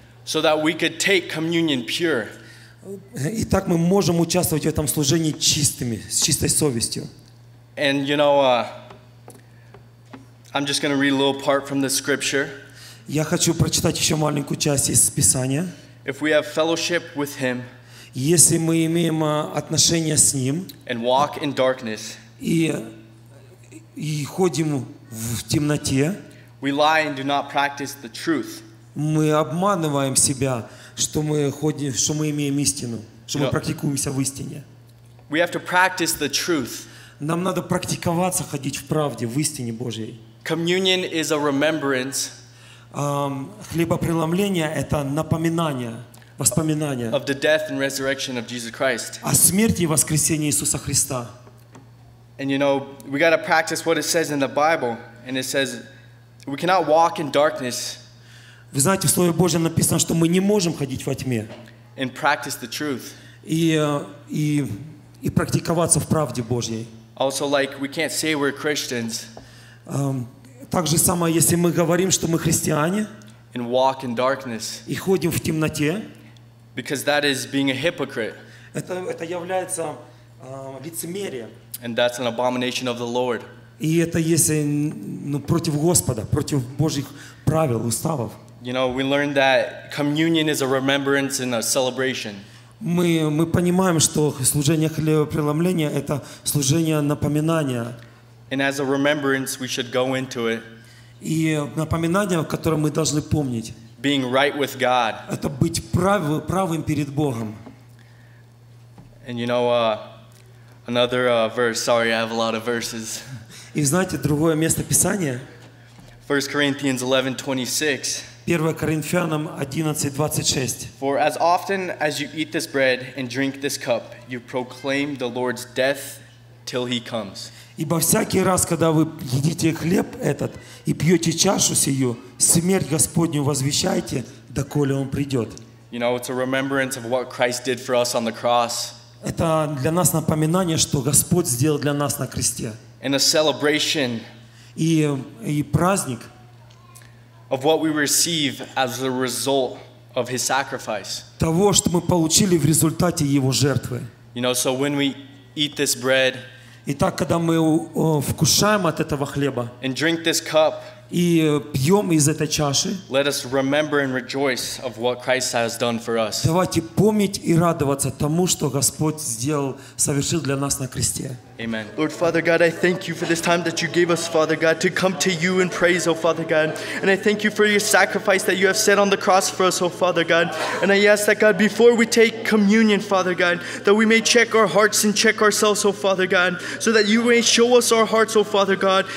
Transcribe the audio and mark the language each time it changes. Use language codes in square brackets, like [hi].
[en] So that we could take communion pure. [ru] И так мы можем участвовать в этом служении чистыми, с чистой совестью. [en] And you know, I'm just going to read a little part from the scripture. [ru] Я хочу прочитать еще маленькую часть из Писания. [en] If we have fellowship with him, [ru] если мы имеем отношения с ним, [en] and walk in darkness, [ru] и ходим в темноте, [en] we lie and do not practice the truth. [ru] Мы обманываем себя, что мы ходим, что мы имеем истину, что мы практикуемся в истине. [en] We have to practice the truth. [ru] Нам надо практиковаться ходить в правде, в истине Божьей. [en] Communion is a remembrance. [ru] Хлебопреломление — это напоминание, воспоминание [en] of the death and resurrection of Jesus Christ. [ru] О смерти и воскресении Иисуса Христа. [en] And you know, we got to practice what it says in the Bible, and it says we cannot walk in darkness. [ru] Вы знаете, в Слове Божьем написано, что мы не можем ходить во тьме. [en] And practice the truth. [ru] И практиковаться в правде Божьей. [en] Also, like we can't say we're Christians. [ru] Так же самое, если мы говорим, что мы христиане, [en] and walk in darkness, [ru] и ходим в темноте, [en] because that is being a hypocrite. [ru] Это является лицемерием. [en] And that's an abomination of the Lord. [ru] И это если против Господа, против Божьих правил, уставов. [en] You know, we learned that communion is a remembrance and a celebration. [ru] Мы понимаем, что служение хлебопреломления — это служение напоминания. [en] And as a remembrance, we should go into it. [ru] И напоминание, которое мы должны помнить. [en] Being right with God. [ru] Это быть правым перед Богом. [en] And you know, another verse. Sorry, I have a lot of verses. [ru] И знаете, другое место Писания. [en] 1 Corinthians 11:26. [ru] 1 Коринфянам 11:26. [en] For as often as you eat this bread and drink this cup, you proclaim the Lord's death till he comes. [ru] Ибо всякий раз, когда вы едите хлеб этот и пьете чашу сию, смерть Господню возвещайте, доколе он придет. [en] You know, it's a remembrance of what Christ did for us on the cross. [ru] Это для нас напоминание, что Господь сделал для нас на кресте. [en] And a celebration. [ru] и праздник [en] of what we receive as a result of his sacrifice. [ru] Того, что мы получили в результате его жертвы. [en] You know, so when we eat this bread, [ru] итак, когда мы вкушаем от этого хлеба, [en] and drink this cup, [ru] и пьем из этой чаши, [en] let us remember and rejoice of what Christ has done for us. [ru] Давайте помнить и радоваться тому, что Господь сделал, совершил для нас на кресте. [en] Amen. Lord Father God, I thank you for this time that you gave us, Father God, to come to you in praise, oh Father God. And I thank you for your sacrifice that you have set on the cross for us, oh Father God. And I ask that God, before we take communion, Father God, that we may check our hearts and check ourselves, oh Father God, so that you may show us our hearts, oh Father God.